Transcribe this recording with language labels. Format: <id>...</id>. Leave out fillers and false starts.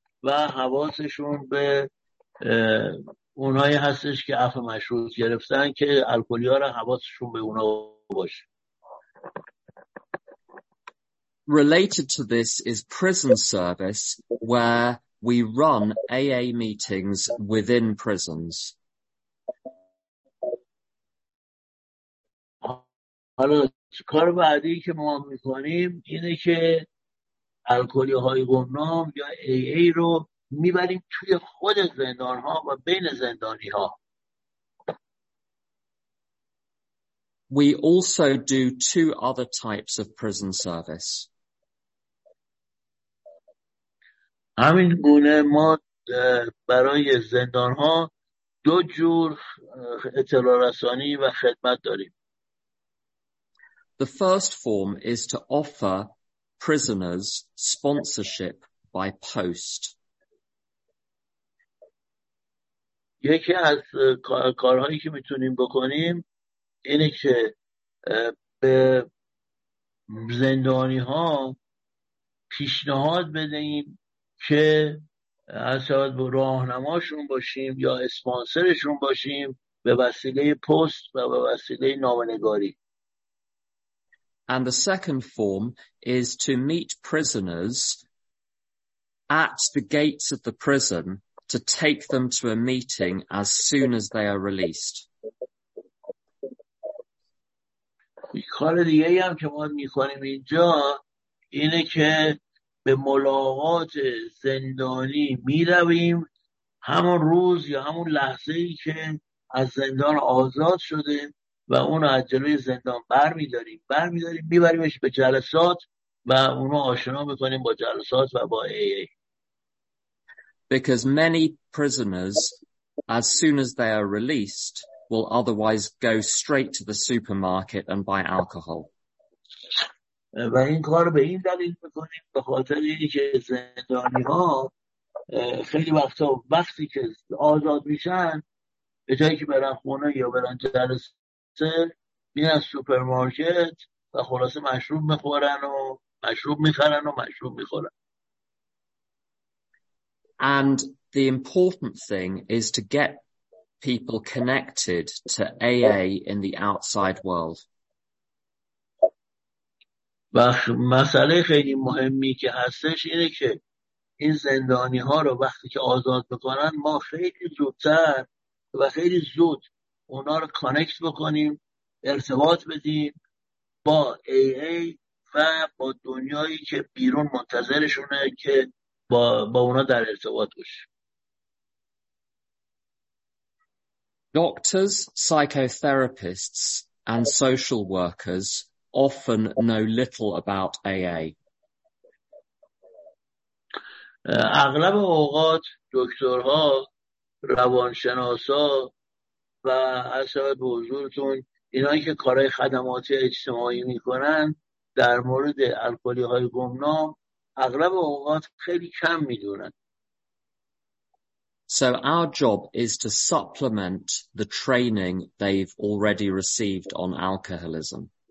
<fa>و حواسشون به اونایی هستش که عفو مشروط گرفتن که الکلی ها را حواسشون به اونا باشه.</fa> <en>Related to this is prison service, where we run AA meetings within prisons.</en> <fa>حالا کار بعدی که ما میکنیم اینه که الکلی های گمنام یا AA رو میبریم توی خود زندان ها و بین زندانی ها.</fa> <en>We also do two other types of prison service.</en> <fa>همین گونه ما برای زندان ها دو جور اطلاع رسانی و خدمت داریم.</fa> <en>The first form is to offer prisoners sponsorship by post.</en> <fa>یکی از کارهایی که میتونیم بکنیم اینه که به زندانی ها پیشنهاد بدهیم که از شاید با راهنماشون باشیم یا اسپانسرشون باشیم به وسیله پست و به وسیله نامه‌نگاری.</fa> <en>And the second form is to meet prisoners at the gates of the prison to take them to a meeting as soon as they are released.</en> <fa>کار دیگه هم که ما می‌کنیم اینجا اینه که به ملاقات زندانی می‌رویم همون روز یا همون لحظه‌ای که از زندان آزاد شده و اون از جلوی زندان برمی‌داریم می‌بریمش به جلسات و اون رو آشنا می‌کنیم با جلسات و با AA.</fa> <en>Because many prisoners, as soon as they are released, will otherwise go straight to the supermarket and buy alcohol.</en> <fa>و این کار به این دلیل می‌کنیم به خاطر اینکه زندانی‌ها خیلی وقتا وقتی که آزاد میشن به جایی که برن خونه یا برن جلسه میرن سوپرمارکت و خلاصه مشروب میخورن و مشروب میخرن و مشروب میخورن.</fa> <en>And the important thing is to get people connected to AA in the outside world.</en> <fa>و مسئله خیلی مهمی که هستش اینه که این زندانی ها رو وقتی که آزاد بکنن ما خیلی زودتر و خیلی زود اونا رو کانکت بکنیم، ارتباط بدیم با AA و با دنیایی که بیرون منتظرشونه که با اونا در ارتباط باشه.</fa> <en>Doctors, psychotherapists and social workers often know little about AA.</en> <fa>اغلب اوقات دکترها، روانشناسا و حسابت به حضورتون اینایی که کارهای خدماتی اجتماعی میکنن در مورد الکلی های گمنام اغلب اوقات خیلی کم میدونن.</fa> <en>So our job is to supplement the training they've already received on alcoholism.</en>